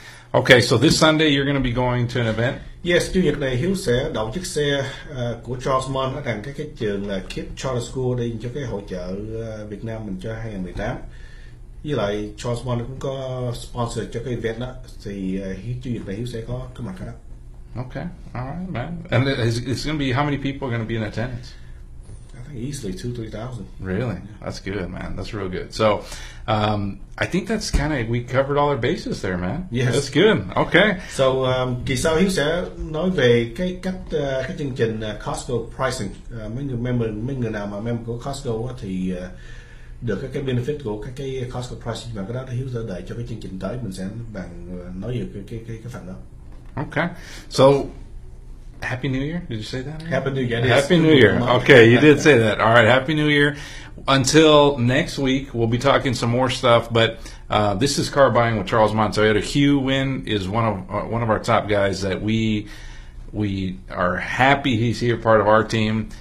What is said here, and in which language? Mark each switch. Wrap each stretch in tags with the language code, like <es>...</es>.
<en>Okay, so this Sunday you're going to be going to an event. Yes,</en> <vi>chủ nhật này Hiếu sẽ đậu chiếc xe của Charles Mon ở đằng cái trường là Keep Charter School đi cho cái hội chợ Việt Nam mình cho 2018. Với lại Charles Mon cũng có sponsor cho cái event đó thì chủ nhật này Hiếu sẽ có cái mặt cái đó.</vi> <en>Okay, all right, man. And it's going to be, how many people are going to be in attendance? Think easily 2,000-3,000. Really? That's good, man. That's real good. So, I think that's kind of, we covered all our bases there, man. That's Yes. good. Okay. So</en> <vi>kỳ sau Hiếu sẽ nói về cái cách cái chương trình Costco pricing, mấy người nào mà member của Costco á, thì được các cái benefit của các cái Costco pricing, và cái đó thì Hiếu sẽ đợi cho cái chương trình tới mình sẽ bàn nói về cái phần đó.</vi> <en>Okay. So, Happy New Year? Did you say that already? Happy New Year, Happy New Year. Okay, you did say that. All right, Happy New Year. Until next week, we'll be talking some more stuff, but this is Car Buying with Charles Mont. So, Hugh Wynn is one of our top guys that we are happy he's here, part of our team.</en>